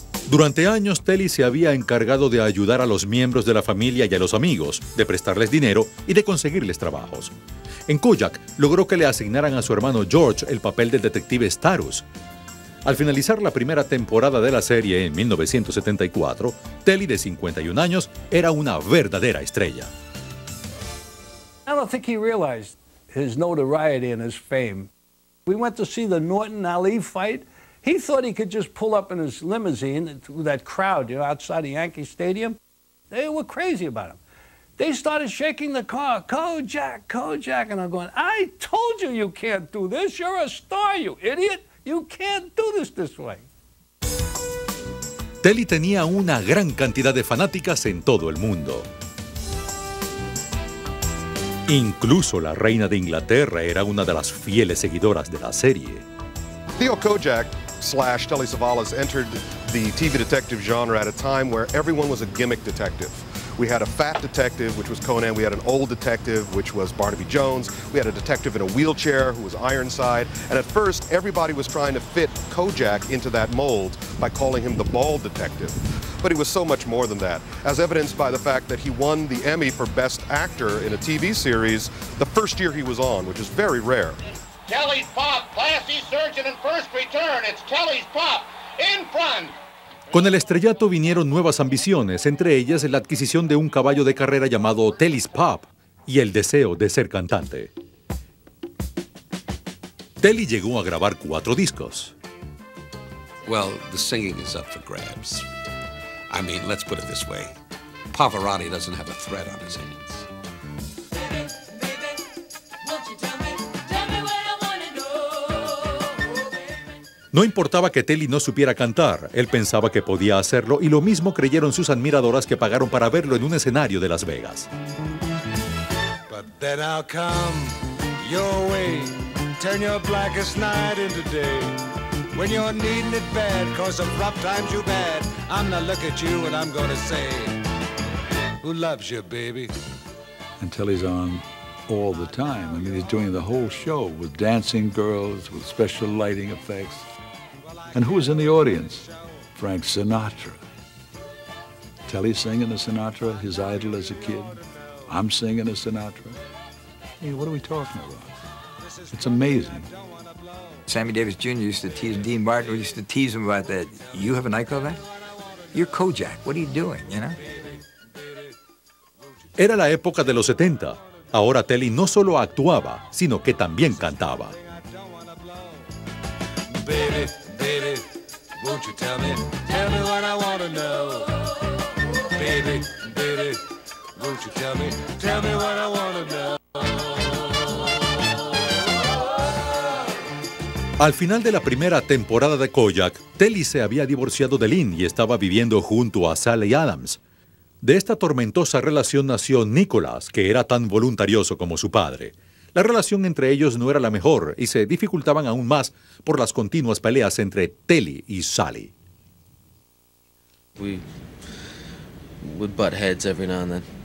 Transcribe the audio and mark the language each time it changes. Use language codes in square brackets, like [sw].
[es] Durante años, Telly se había encargado de ayudar a los miembros de la familia y a los amigos, de prestarles dinero y de conseguirles trabajos. En Koyak, logró que le asignaran a su hermano George el papel del detective Starus. Al finalizar la primera temporada de la serie en 1974, Telly, de 51 años, era una verdadera estrella. [en] I don't think he realized his notoriety and his fame. We went to see the Norton Ali fight. He thought he could just pull up in his limousine through that crowd, you know, outside the Yankee Stadium. They were crazy about him. They started shaking the car, Kojak, Kojak, and I'm going, I told you you can't do this. You're a star, you idiot. You can't do this way. [es] Telly tenía una gran cantidad de fanáticas en todo el mundo. Incluso la reina de Inglaterra era una de las fieles seguidoras de la serie. [en] Theo Koyak / Telly Savalas entered the TV detective genre at a time where everyone was a gimmick detective. We had a fat detective, which was Conan. We had an old detective, which was Barnaby Jones. We had a detective in a wheelchair, who was Ironside. And at first, everybody was trying to fit Koyak into that mold by calling him the bald detective. But he was so much more than that, as evidenced by the fact that he won the Emmy for Best Actor in a TV series the first year he was on, which is very rare. It's Telly's pop, classy surgeon and first return. It's Telly's pop in front. [es] Con el estrellato vinieron nuevas ambiciones, entre ellas la adquisición de un caballo de carrera llamado Telly's Pop y el deseo de ser cantante. Telly llegó a grabar 4 discos. [en] Well, the singing is up for grabs. I mean, let's put it this way. Pavarotti doesn't have a threat on his hands. [es] No importaba que Telly no supiera cantar, él pensaba que podía hacerlo y lo mismo creyeron sus admiradoras que pagaron para verlo en un escenario de Las Vegas. [en] But then I'll come your way, turn your blackest night into day. When you're needing it bad, cause of rough times you bad, I'm gonna look at you and I'm gonna say, who loves you, baby? And Telly's on all the time. I mean, he's doing the whole show with dancing girls, with special lighting effects. And who was in the audience? Frank Sinatra. Telly singing a Sinatra, his idol as a kid. I'm singing a Sinatra. Hey, what are we talking about? It's amazing. Sammy Davis Jr. used to tease Dean Martin. We used to tease him about that. You have a nightclub act? You're Koyak. What are you doing, you know? [es] Era la época de los 70. Ahora Telly no solo actuaba, sino que también cantaba. [en] Baby. Won't you tell me what I want to know? Baby, baby, won't you tell me what I want to know? [es] Al final de la primera temporada de Koyak, Telly se había divorciado de Lynn y estaba viviendo junto a Sally Adams. De esta tormentosa relación nació Nicholas, que era tan voluntarioso como su padre. La relación entre ellos no era la mejor y se dificultaban aún más por las continuas peleas entre Telly y Sally. [en] We would butt heads every now and then.